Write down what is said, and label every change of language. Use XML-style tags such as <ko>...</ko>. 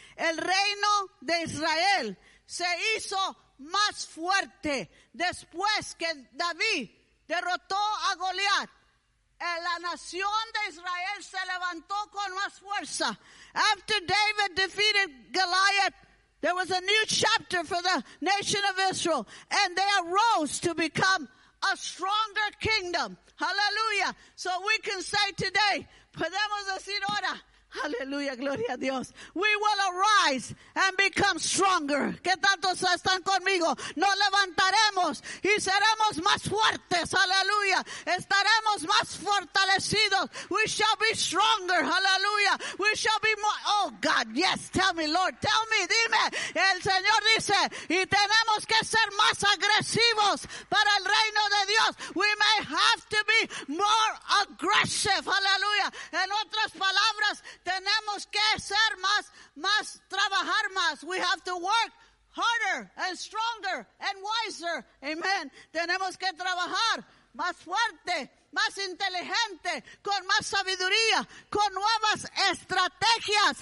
<es>El reino de Israel se hizo más fuerte después que David derrotó a Goliat. La nación de Israel se levantó con más fuerza.</es> <en>After David defeated Goliath, there was a new chapter for the nation of Israel, and they arose to become a stronger kingdom. Hallelujah. So we can say today,</en> <es>podemos decir ahora,</es> <en>hallelujah,</en> <es>gloria a Dios.</es> <en>We will arise and become stronger.</en> <es>¿Qué tantos están conmigo? Nos levantaremos y seremos más fuertes. Hallelujah. Estaremos más fortalecidos.</es> <en>We shall be stronger. Hallelujah. We shall be more. Oh, God, yes. Tell me, Lord. Tell me. Dime.</en> <es>El Señor dice, y tenemos que ser más agresivos para el reino de Dios.</es> <en>We may have to be more aggressive. Hallelujah.</en> <es>En otras palabras, tenemos que ser más, trabajar más.</es> <en>We have to work harder and stronger and wiser. Amen.</en> <es>Tenemos que trabajar más fuerte, más inteligente, con más sabiduría, con nuevas estrategias.</es>